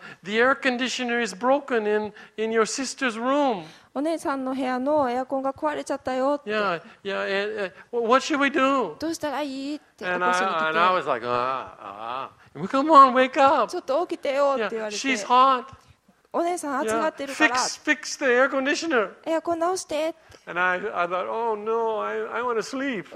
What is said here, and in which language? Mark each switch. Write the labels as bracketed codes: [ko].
[en] The air conditioner is broken in your sister's room. [ja] お姉さんの部屋のエアコンが壊れちゃったよって。 [en] What should we do? [ja] どうしたらいいって起こしに来て。 [en] And I was like, come on, wake up. [ja] ちょっと起きてよって言われて。 [en] Yeah, she's hot. [ja] お姉さん熱がってるから。 [en] Yeah, fix the air conditioner. [ja] エアコン直してって。 [en] And I thought, oh no, I want to sleep.